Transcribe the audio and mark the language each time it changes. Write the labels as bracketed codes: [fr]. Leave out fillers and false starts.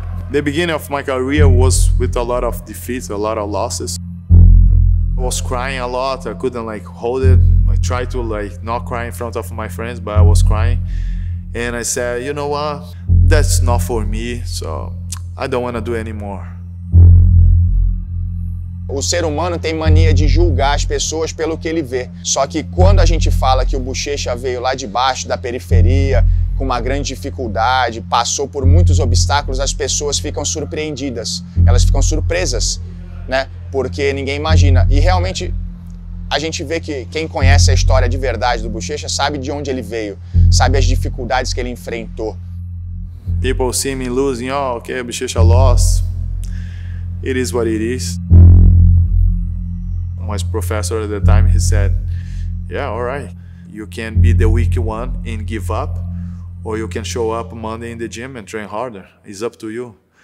[en] The beginning of my career was with a lot of defeats, a lot of losses. I was crying a lot, I couldn't like hold it. I tried to like not cry in front of my friends, but I was crying. And I said, you know what, that's not for me, so I don't want to do anymore. [pt] O ser humano tem mania de julgar as pessoas pelo que ele vê. Só que quando a gente fala que o Buchecha veio lá de baixo, da periferia, com uma grande dificuldade, passou por muitos obstáculos, as pessoas ficam surpreendidas, elas ficam surpresas, né? Porque ninguém imagina. E realmente, a gente vê que quem conhece a história de verdade do Buchecha sabe de onde ele veio, sabe as dificuldades que ele enfrentou. [en] People see me losing, oh, okay, Buchecha lost. It is what it is. My professor at the time, he said, yeah, all right, you can be the weak one and give up, or you can show up Monday in the gym and train harder. It's up to you.